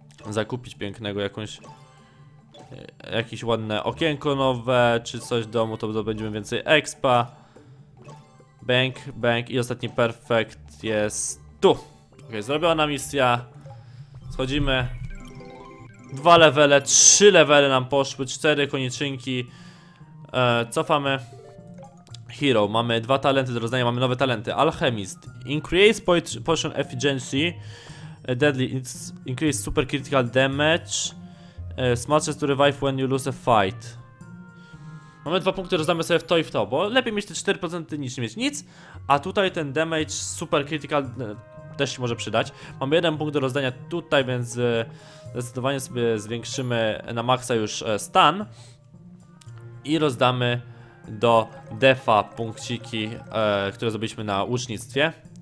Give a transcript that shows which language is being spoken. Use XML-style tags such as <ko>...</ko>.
<pl>zakupić pięknego, jakąś... jakieś ładne okienko nowe, czy coś w domu, to będziemy więcej expa. Bang, bang i ostatni perfekt jest tu. Ok, zrobiła nam misja. Schodzimy. 2 levele, 3 levele nam poszły, 4 koniczynki. Cofamy. Hero, mamy 2 talenty do rozdania, mamy nowe talenty.</pl> <en>Alchemist, increase potion efficiency, deadly, increase super critical damage, smashes to revive when you lose a fight.</en> <pl>Mamy 2 punkty, rozdamy sobie w to i w to, bo lepiej mieć te 4% niż nie mieć nic. A tutaj ten damage super critical też się może przydać. Mamy 1 punkt do rozdania tutaj, więc zdecydowanie sobie zwiększymy na maksa już stan. I rozdamy do defa punkciki, które zrobiliśmy na ucznictwie.</pl>